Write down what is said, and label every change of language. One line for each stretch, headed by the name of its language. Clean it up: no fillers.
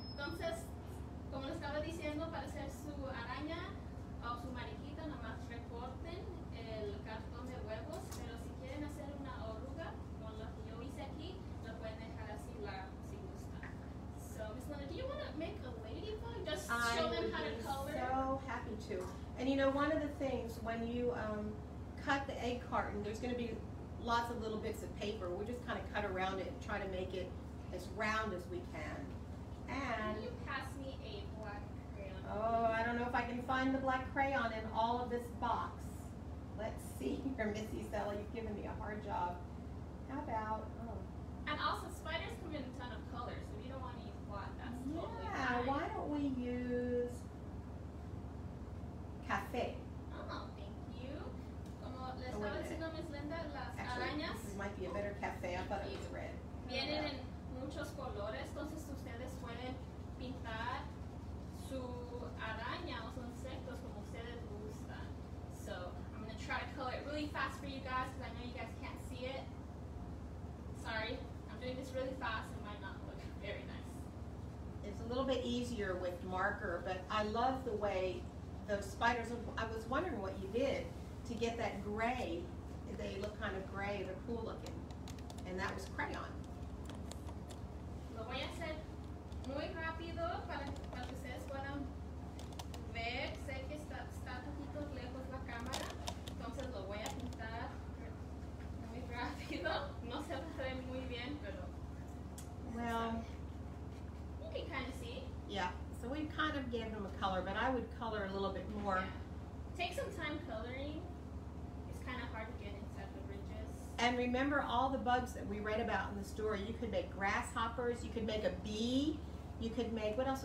Spanish: Entonces, como les estaba diciendo, para hacer su araña o su mariquita, nomás recorten el cartón de huevos. Pero si quieren hacer una oruga, con lo que yo hice aquí, lo pueden dejar así si gustan.
English: So, Miss Lena, do you want to make a ladybug? Just show them how to color. And you know, one of the things when you cut the egg carton, there's going to be lots of little bits of paper. We'll just kind of cut around it and try to make it as round as we can. And can you pass me a black crayon? Oh, I don't know if I can find the black crayon in all of this box. Let's see here, Missy Sella. You've given me a hard job. How about? Oh. And also, spiders come in a ton of colors, so if you don't want to use black, that's yeah, totally fine. Yeah, why don't we use.
Spanish: Café.
English: Oh, thank you.
Spanish: Como le estaba diciendo Miss Linda, las
English: Actually,
Spanish: arañas.
English: This might be a better café. I thought it was red.
Spanish: Vienen en muchos colores, entonces ustedes pueden pintar su araña o sus insectos como ustedes gustan.
English: So, I'm going to try to color it really fast for you guys because I know you guys can't see it. Sorry, I'm doing this really fast. It might not look very nice. It's a little bit easier with marker, but I love the way. Those spiders, I was wondering what you did to get that gray. They look kind of gray, they're cool looking. And that was crayon.
Spanish: Lo voy a hacer muy rápido para que ustedes puedan ver. Sé que está un poquito lejos la cámara. Entonces lo voy a pintar muy rápido. No se va a ver muy bien, pero.
English: Well, you can kind of see. Yeah. So we kind of gave them a color, but I would color a little bit more. Yeah. Take some time coloring. It's kind of hard to get inside the ridges. And remember all the bugs that we read about in the story. You could make grasshoppers. You could make a bee. You could make, what else?